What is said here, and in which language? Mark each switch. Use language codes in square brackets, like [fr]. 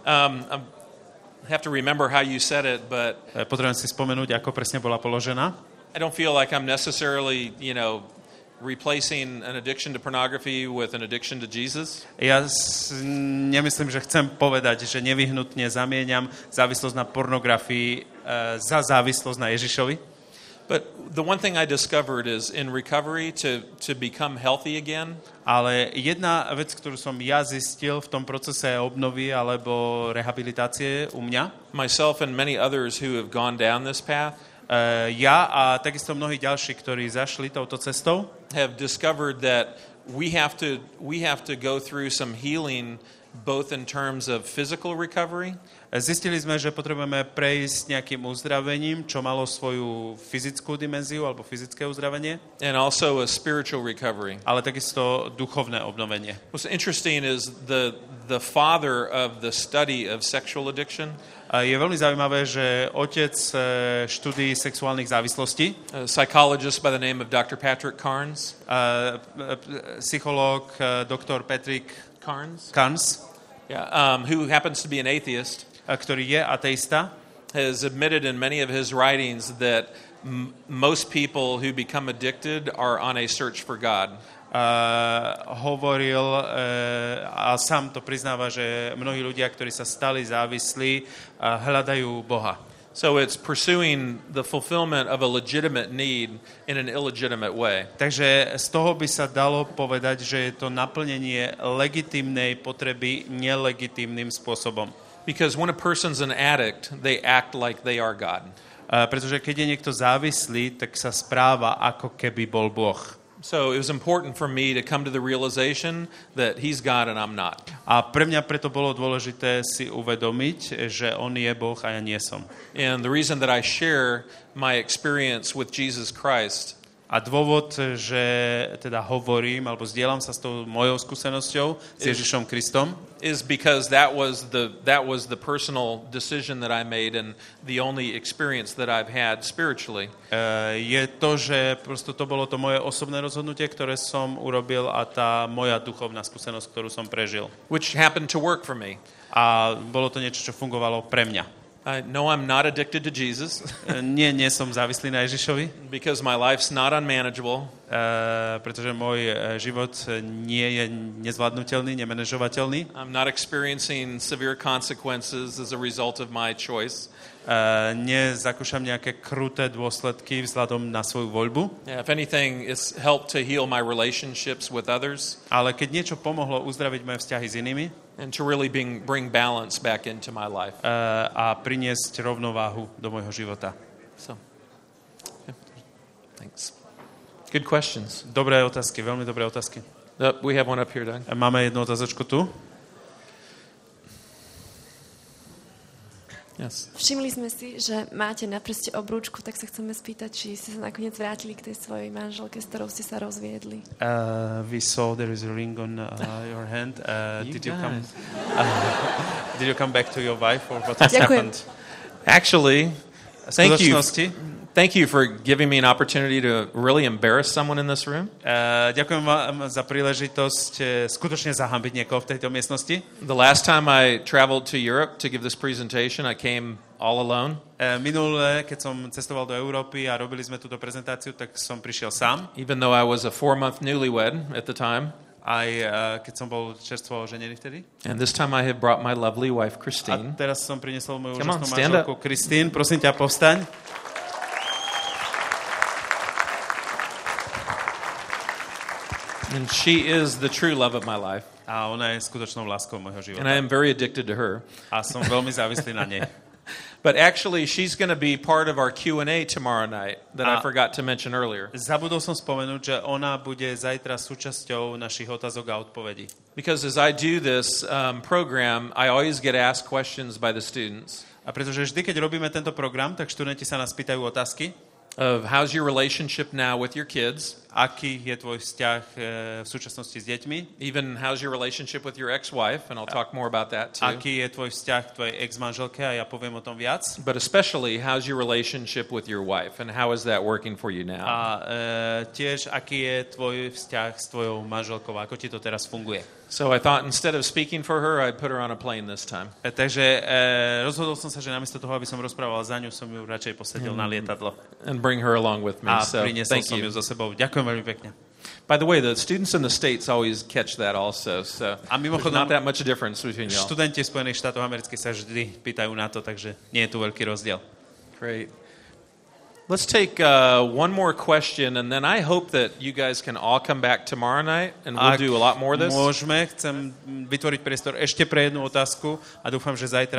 [en] I have to remember how you said it, but [sk] potrebujem si spomenúť, ako presne bola položená. [en] I don't feel like I'm necessarily, you know, replacing an addiction to pornography with an addiction to Jesus? [sk] Ja nemyslím, že chcem povedať, že nevyhnutne zamieňam závislosť na pornografii za závislosť na Ježišovi. [en] But the one thing I discovered is in recovery to become healthy again. [sk] Ale jedna vec, ktorú som ja zistil v tom procese obnovy alebo rehabilitácie u mňa, [en] myself and many others who have gone down this path, [sk] ja a takisto mnohí ďalší, ktorí zašli touto cestou, [en] have discovered that we have to go through some healing both in terms of physical recovery. [sk] Zistili sme, že potrebujeme prejsť nejakým uzdravením, čo malo svoju fyzickú dimenziu alebo fyzické uzdravenie. [en] And also a spiritual recovery. [sk] Ale takisto duchovné obnovenie. [en] What's interesting is the father of the study of sexual addiction. [sk] Je veľmi zaujímavé, že otec štúdií sexuálnych závislostí, [en] psychologist by the name of Dr. Patrick Carnes, [sk] psychológ Dr. Patrick [en] Carnes. Who happens to be an atheist, [sk] ktorý je ateista, [en] has admitted in many of his writings that most people who become addicted are on a search for God. [sk] Hovoril a sám to priznáva, že mnohí ľudia, ktorí sa stali závislí, hľadajú Boha. [en] So it's pursuing the fulfillment of a legitimate need in an illegitimate way. [sk] Takže z toho by sa dalo povedať, že je to naplnenie legitímnej potreby nelegitímnym spôsobom. [en] Because when a person's an addict, they act like they are God. [sk] Pretože keď je niekto závislý, tak sa správa ako keby bol Boh. [en] So it was important for me to come to the realization that he's God and I'm not. [sk] A pre mňa preto bolo dôležité si uvedomiť, že on je Boh a ja nie som. [en] And the reason that I share my experience with Jesus Christ. [sk] A dôvod, že teda hovorím alebo zdieľam sa s tou mojou skúsenosťou s Ježišom Kristom, [en] is because that was the personal decision that I made and the only experience that I've had spiritually. [sk] Je to, že prosto to bolo to moje osobné rozhodnutie, ktoré som urobil, a tá moja duchovná skúsenosť, ktorú som prežil. [en] Which happened to work for me. [sk] A bolo to niečo, čo fungovalo pre mňa. [en] No, I'm not addicted to Jesus. [sk] Nie som závislý na Ježišovi. [en] Because my life's not unmanageable. [sk] Pretože môj život nie je nezvládnutelný, nemanažovateľný. [en] I'm not experiencing severe consequences as a result of my choice. [sk] Nezakúšam nejaké kruté dôsledky vzhľadom na svoju voľbu. [en] Yeah, if anything, it's helped to heal my relationships with others. [sk] Ale keď niečo pomohlo uzdraviť moje vzťahy s inými, [en] and to really bring balance back into my life. [sk] A priniesť rovnováhu do môjho života. [en] So. Thanks. Good questions. [sk] Dobré otázky, veľmi dobré otázky. [en] We have one up here, Doug. [sk] Máme jednu otázočku tu. [en] Yes. [sk] Všimli sme si, že máte na prste obrúčku, tak sa chceme spýtať, či ste sa nakoniec vrátili k tej svojej manželke, s ktorou ste sa rozviedli. [en] We saw there is a ring on your hand. Did you come back to your wife or what has happened? Actually, thank you. Thank you for giving me an opportunity to really embarrass someone in this room. [sk] Ďakujem vám za príležitosť skutočne zahambiť niekoho v tejto miestnosti. [en] The last time I traveled to Europe to give this presentation, I came all alone. [sk] Minule, keď som cestoval do Európy a robili sme túto prezentáciu, tak som prišiel sám. [en] Even though I was a 4-month newlywed at the time. [sk] Aj keď som bol čerstvo oženený vtedy. [en] And this time I have brought my lovely wife Christine. [sk] A teraz som priniesol moju úžasnú manželku Christine. Prosím ťa, povstaň. [en] And she is the true love of my life. [sk] A ona je skutočnou láskou môjho života. [en] And I am very addicted to her. [sk] A som veľmi závislý na nej. [en] But actually she's going to be part of our Q&A tomorrow night that I forgot to mention earlier. [sk] Zabudol som spomenúť, že ona bude zajtra súčasťou našich otázok a odpovedí. [en] Because as I do this program, I always get asked questions by the students. [sk] A pretože vždy keď robíme tento program, tak študenti sa nás pýtajú otázky. [en] Of how's your relationship now with your kids? [sk] Aký je tvoj vzťah v súčasnosti s deťmi? [en] Even how's your relationship with your ex-wife? And I'll talk more about that too. [sk] Aký je tvoj vzťah k tvojej ex-manželke? A ja poviem o tom viac. [en] But especially, how's your relationship with your wife? And how is that working for you now? [sk] A tiež, aký je tvoj vzťah s tvojou manželkou? Ako ti to teraz funguje? [en] So I thought instead of speaking for her, I'd put her on a plane this time. [sk] Takže rozhodol som sa, že namiesto toho, aby som rozprával za ňu, som ju radšej posadil na lietadlo. [en] And bring her along with me. [sk] A priniesol som ju so sebou. Ďakujem veľmi pekne. [en] By the way, the students in the States always catch that also, so [sk] a mimochodom, [en] not that much a difference between y'all. [sk] Študenti Spojených štátov amerických sa vždy pýtajú na to, takže nie je tu veľký rozdiel. [en] Great. Let's take one more question, and then I hope that you guys can all come back tomorrow night, and we'll do a lot more of this. [sk] Môžeme, chcem vytvoriť priestor ešte pre jednu otázku, a dúfam, že zajtra